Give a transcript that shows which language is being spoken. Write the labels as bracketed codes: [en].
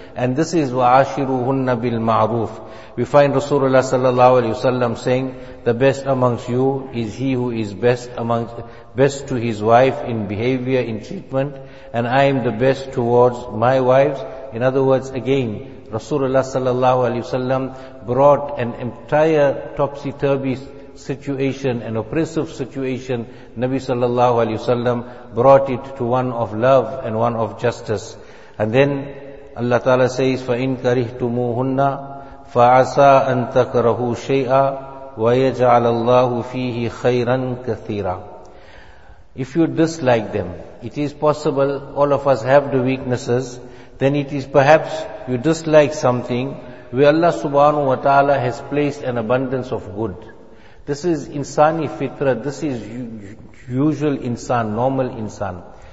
[en] And this is [ar] وَعَاشِرُوهُنَّ بِالْمَعْرُوفِ. [en] We find Rasulullah sallallahu alayhi wasallam saying, the best amongst you is he who is best to his wife in behavior, in treatment, and I am the best towards my wives. In other words, again, Rasulullah sallallahu alaihi wasallam brought an entire topsy-turvy situation, an oppressive situation. Nabi sallallahu alaihi wasallam brought it to one of love and one of justice. And then Allah Ta'ala says, [ar] فَإِن كَرِهْتُمُوهُنَّ فَعَسَىٰ أَن تَكْرَهُوا شَيْئًا وَيَجْعَلَ اللَّهُ فِيهِ خَيْرًا كَثِيرًا. [en] If you dislike them, it is possible all of us have the weaknesses, then it is perhaps you dislike something where Allah subhanahu wa ta'ala has placed an abundance of good. This is insani fitra, this is usual insan, normal insan.